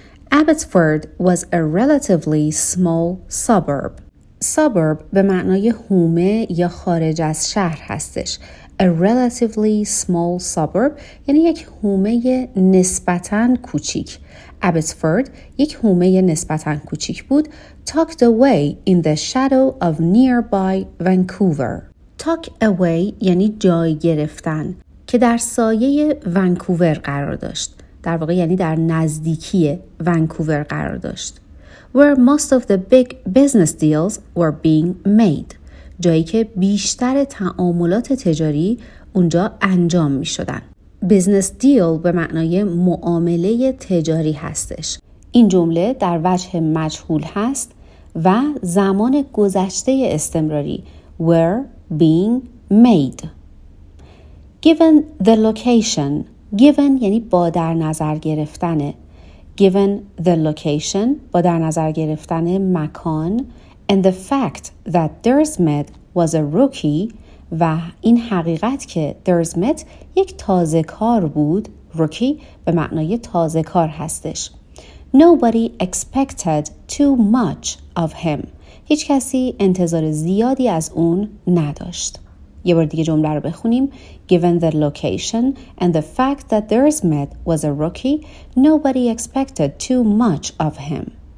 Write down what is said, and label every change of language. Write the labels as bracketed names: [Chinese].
[English] Abbotsford was a relatively small suburb. [Persian] Suburb به معنای حومه یا خارج از شهر هستش. [English] A relatively small suburb [Persian] یعنی یک حومه نسبتاً کوچیک. Abbotsford یک حومه نسبتاً کوچیک بود. [English] Tucked away in the shadow of nearby Vancouver. [Persian] Tuck away یعنی جای گرفتن، که در سایه ونکوور قرار داشت. در واقع یعنی در نزدیکی ونکوور قرار داشت. [English] where most of the big business deals were being made. [Persian] جایی که بیشتر تعاملات تجاری اونجا انجام می شدن. Business deal به معنای معامله تجاری هستش. این جمله در وجه مجهول هست و زمان گذشته استمراری [English] were being made. Given the location, given [Persian] یعنی با در نظر گرفتن. [English] Given the location, [Persian] با در نظر گرفتن مکان. [English] And the fact that Dersmet was a rookie [Persian] و این حقیقت که Dersmet یک تازه کار بود. Rookie به معنای تازه کار هستش. [English] Nobody expected too much of him. [Persian] هیچ کسی انتظار زیادی از اون نداشت. یه بار دیگه جمله رو بخونیم. [English] Given the location and the fact that Dersmet was a rookie, nobody expected too much of him.